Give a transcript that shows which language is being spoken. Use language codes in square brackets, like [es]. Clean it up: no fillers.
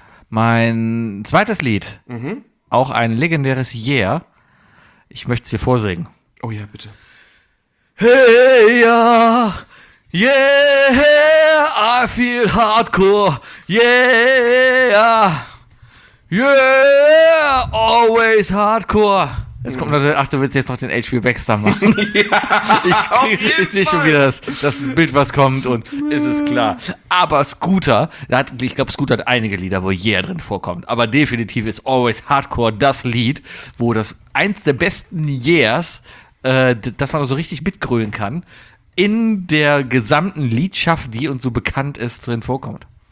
[de] Mein zweites Lied, auch ein legendäres Yeah. Ich möchte es dir vorsingen. Oh ja, bitte. [en] Hey, ja, yeah, I feel hardcore, yeah, yeah, always hardcore. [de] Jetzt kommt noch, ach, du willst jetzt noch den H.P. Baxter machen. Ich sehe schon wieder das Bild, was kommt und ist es klar. Aber Scooter, ich glaube, Scooter hat einige Lieder, wo Yeah drin vorkommt. Aber definitiv ist Always Hardcore das Lied, wo das eins der besten Yeahs, dass man so richtig mitgrölen kann, in der gesamten Liedschaft, die uns so bekannt ist, drin vorkommt.